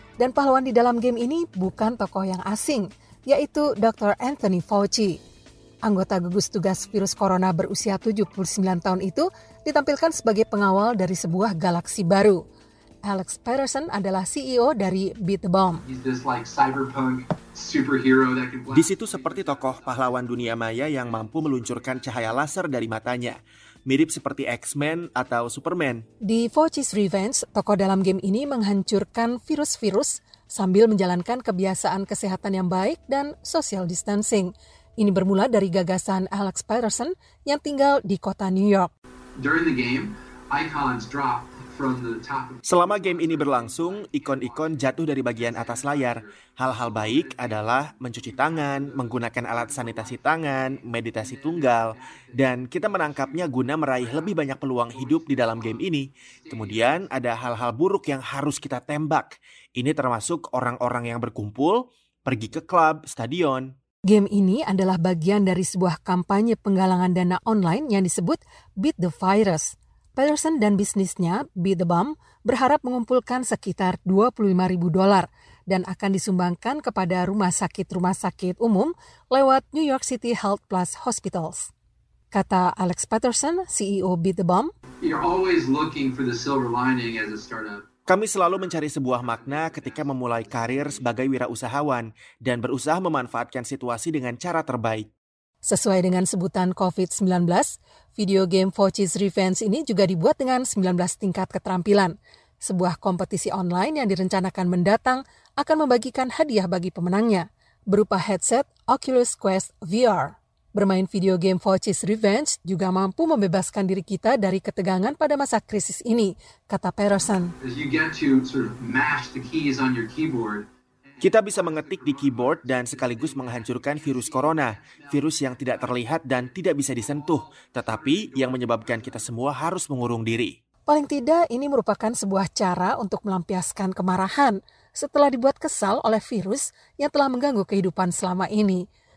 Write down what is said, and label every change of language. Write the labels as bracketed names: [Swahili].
[Indonesian] Dan pahlawan di dalam game ini bukan tokoh yang asing, yaitu Dr. Anthony Fauci. Anggota gugus tugas virus corona berusia 79 tahun itu ditampilkan sebagai pengawal dari sebuah galaksi baru. Alex Patterson adalah CEO dari Beat the Bomb. [English] He's this like cyberpunk superhero that can blast. [Indonesian] Di situ seperti tokoh pahlawan dunia maya yang mampu meluncurkan cahaya laser dari matanya. Mirip seperti X-Men atau Superman. Di Voci's Revenge, tokoh dalam game ini menghancurkan virus-virus sambil menjalankan kebiasaan kesehatan yang baik dan social distancing. Ini bermula dari gagasan Alex Patterson yang tinggal di kota New York. [English] During the game, icons drop. [Indonesian] Selama game ini berlangsung, ikon-ikon jatuh dari bagian atas layar. Hal-hal baik adalah mencuci tangan, menggunakan alat sanitasi tangan, meditasi tunggal, dan kita menangkapnya guna meraih lebih banyak peluang hidup di dalam game ini. Kemudian ada hal-hal buruk yang harus kita tembak. Ini termasuk orang-orang yang berkumpul, pergi ke klub, stadion. Game ini adalah bagian dari sebuah kampanye penggalangan dana online yang disebut Beat the Virus. Patterson dan bisnisnya, Beat the Bomb, berharap mengumpulkan sekitar $25,000 dan akan disumbangkan kepada rumah sakit umum lewat New York City Health Plus Hospitals. Kata Alex Patterson, CEO Beat the Bomb, [English] "You're always looking for the silver lining as a startup. [Indonesian] Kami selalu mencari sebuah makna ketika memulai karir sebagai wirausahawan dan berusaha memanfaatkan situasi dengan cara terbaik." Sesuai dengan sebutan COVID-19, video game Voci's Revenge ini juga dibuat dengan 19 tingkat keterampilan. Sebuah kompetisi online yang direncanakan mendatang akan membagikan hadiah bagi pemenangnya, berupa headset Oculus Quest VR. Bermain video game Voci's Revenge juga mampu membebaskan diri kita dari ketegangan pada masa krisis ini, kata Patterson. [English] As you get to sort of mash the keys on your keyboard, [Indonesian] kita bisa mengetik di keyboard dan sekaligus menghancurkan virus corona, virus yang tidak terlihat dan tidak bisa disentuh, tetapi yang menyebabkan kita semua harus mengurung diri. Paling tidak, ini merupakan sebuah cara untuk melampiaskan kemarahan setelah dibuat kesal oleh virus yang telah mengganggu kehidupan selama ini.